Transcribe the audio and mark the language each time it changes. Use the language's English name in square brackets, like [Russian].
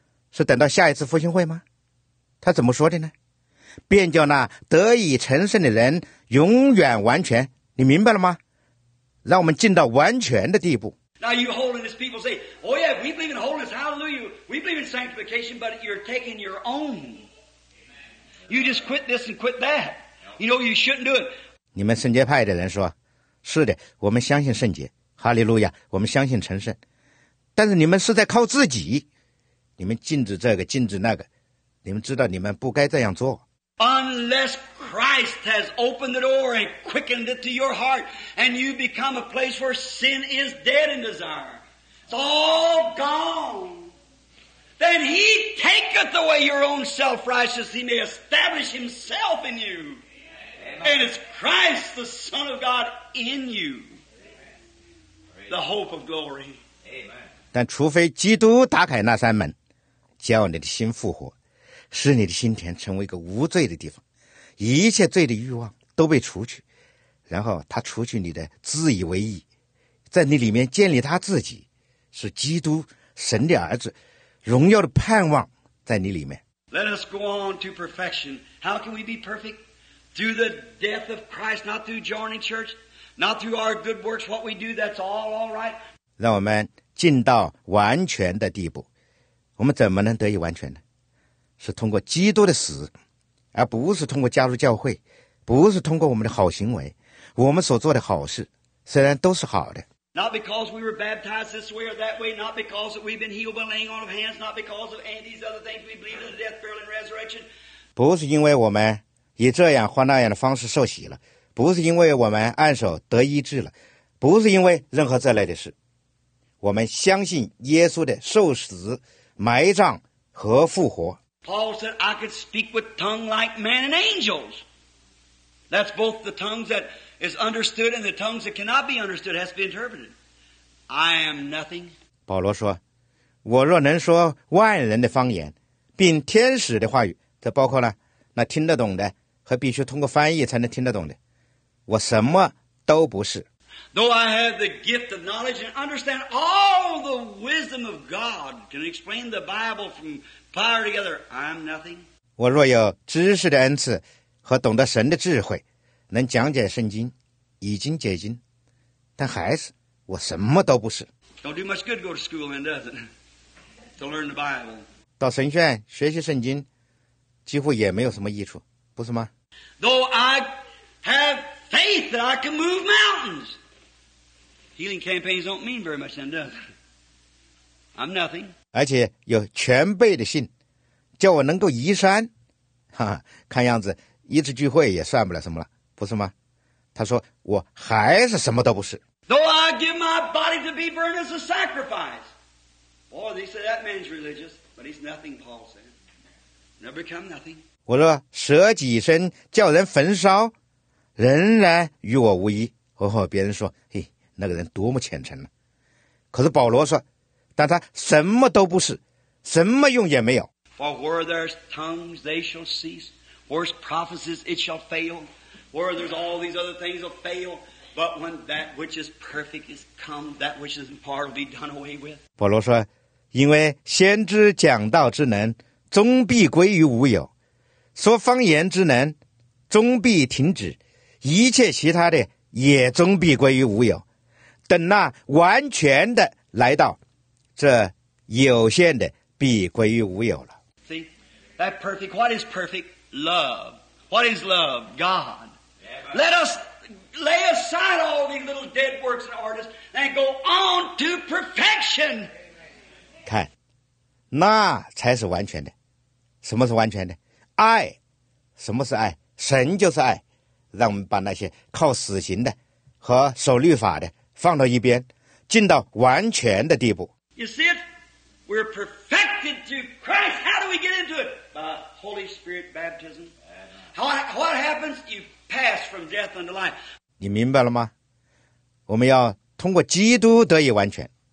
[Chinese] 是等到下一次复兴会吗？他怎么说的呢？便叫那得以成圣的人永远完全，你明白了吗？让我们进到完全的地步。 [English] Now you holiness people say, oh yeah, we believe in holiness, hallelujah, we believe in sanctification, but you're taking your own. You just quit this and quit that. You know you shouldn't do it. [Chinese] 你们圣洁派的人说，是的，我们相信圣洁，哈利路亚，我们相信成圣，但是你们是在靠自己。你们禁止这个，禁止那个，你们知道你们不该这样做。 [English] Unless Christ has opened the door and quickened it to your heart, and you become a place where sin is dead in desire, it's all gone. Then he taketh away your own self-righteousness, he may establish himself in you. Amen. And it's Christ, the Son of God, in you. The hope of glory. Amen. [Chinese] 但除非基督打开那扇门。叫你的心复活，使你的心田成为一个无罪的地方，一切罪的欲望都被除去，然后他除去你的自以为意，在你里面建立他自己，是基督神的儿子荣耀的盼望在你里面。 [English] Let us go on to perfection. How can we be perfect? Through the death of Christ, not through joining church, not through our good works, what we do, that's all right. [Chinese] 让我们进到完全的地步。我们怎么能得以完全呢？是通过基督的死，而不是通过加入教会，不是通过我们的好行为，我们所做的好事，虽然都是好的。 [English] Not because we were baptized this way or that way, not because we've been healed by laying on of hands, not because of any of these other things, we believe in the death, burial, and resurrection. [Chinese] 不是因为我们以这样或那样的方式受洗了，不是因为我们按手得医治了，不是因为任何这类的事，我们相信耶稣的受死。埋葬和复活。 [English] Paul said, I could speak with tongue like man and angels. That's both the tongues that is understood and the tongues that cannot be understood has to be interpreted. I am nothing. [Chinese] 保罗说，我若能说万人的方言，并天使的话语，这包括了那听得懂的和必须通过翻译才能听得懂的，我什么都不是。 [English] Though I have the gift of knowledge and understand all the wisdom of God, can explain the Bible from fire together, I'm nothing. [Chinese] 我若有知识的恩赐和懂得神的智慧，能讲解圣经，已经解禁，但还是我什么都不是。 [English] Don't do much good go to school then, does it? To learn the Bible. [Chinese] 到神学院学习圣经几乎也没有什么益处，不是吗？ [English] Though I have faith that I can move mountains. Healing campaigns don't mean very much then, does it? I'm nothing. [Chinese] 而且有全备的信，叫我能够移山，哈哈，看样子一次聚会也算不了什么了，不是吗？他说我还是什么都不是。 [English] Though I give my body to be burned as a sacrifice. Boy, they say that man's religious, but he's nothing, Paul said. Never become nothing. [Chinese] 我说舍己身叫人焚烧，仍然与我无异。哦吼，别人说，嘿，那个人多么虔诚呢。可是保罗说，但他什么都不是，什么用也没有。 [English] For where there's tongues, they shall cease. Where's prophecies, it shall fail. Where there's all these other things will fail. But when that which is perfect is come, that which is in part will be done away with. [Chinese] 保罗说，因为先知讲道之能终必归于无有，说方言之能终必停止，一切其他的也终必归于无有。等那完全的来到，这有限的必归于无有了。 [English] See, that perfect, what is perfect? Love. What is love? God. Let us... Lay aside all these little dead works and artists and go on to perfection. [Chinese] 看，那才是完全的。什么是完全的？爱。什么是爱？神就是爱。让我们把那些靠死刑的和守律法的放到一边，进到完全的地步。 [English] You see it? We're perfected through Christ. How do we get into it? By Holy Spirit baptism. What happens? You pass from death unto life. [Chinese] 你明白了吗？我们要通过基督得以完全。